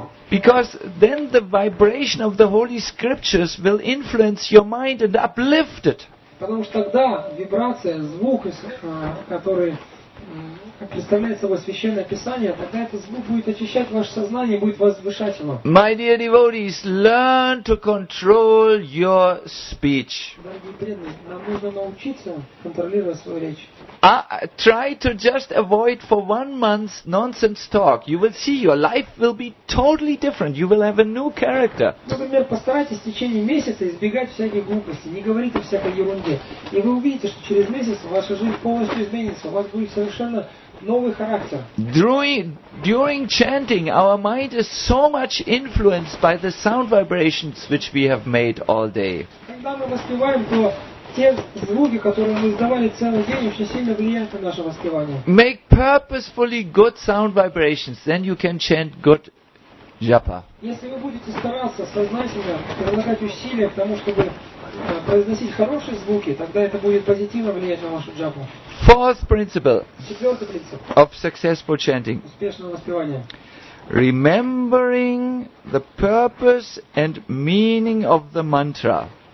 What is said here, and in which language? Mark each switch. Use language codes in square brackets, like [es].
[en] Because then the vibration of the Holy Scriptures will influence your mind and uplift it. [ru] Потому что тогда вибрация, звук, который представляет собой священное писание, тогда этот звук будет очищать ваше сознание, будет возвышать его. [en] My dear devotees, learn to control your speech. [ru] Дорогие преданные, нам нужно научиться контролировать свою речь. [en] Try to just avoid for 1 month nonsense talk. You will see your life will be totally different. You will have a new character. [ru] Например, постарайтесь в течение месяца избегать всяких глупостей, не говорить о всякой ерунде. И вы увидите, что через месяц ваша жизнь полностью изменится. У вас будет совершенно новый характер. [en] During chanting, our mind is so much influenced by the sound vibrations which we have made all day. [ru] Когда мы воспеваем, то те звуки, которые мы издавали целый день, очень сильно влияют на наше воспевание. [en] Make purposefully good sound vibrations, then you can chant good japa. [ru] Если вы будете стараться сознательно прилагать усилия к тому, чтобы произносить хорошие звуки, тогда это будет позитивно влиять на вашу джапу. [en] Fourth principle. [ru] Четвертый принцип. [en] Of successful chanting. [ru] Успешного воспевания. [en] Remembering the purpose and meaning of the mantra.